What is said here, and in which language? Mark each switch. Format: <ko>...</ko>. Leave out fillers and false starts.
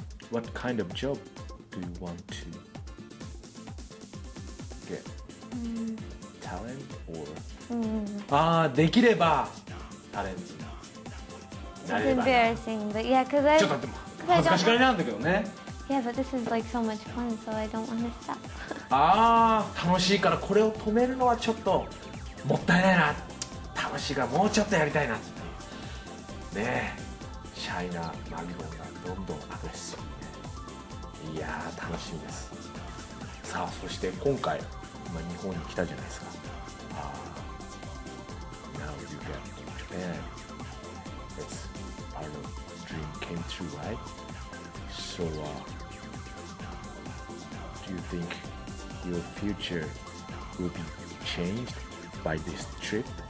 <en>What kind of job do you want to get?、 Mm-hmm. Talent or...、 Mm-hmm.</en> <ja>ああ、できれば、タレント。</ja> <en>It's embarrassing, but yeah, because I...</en> <ja>ちょっと待って、恥ずかしがりなんだけどね。</ja> <en>Yeah, but this is like so much fun, so I don't want to stop.</en> <ja>ああ、楽しいからこれを止めるのはちょっともったいないな。楽しいからもうちょっとやりたいな。ねえ、シャイなマギボンがどんどんアグレッシブに。いやー、楽しみです。さあ、そして今回、今日本に来たじゃないですか。</ja> <en>Now you get to Japan. It's part of the dream came true, right? So, do you think your future will be changed by this trip?</en>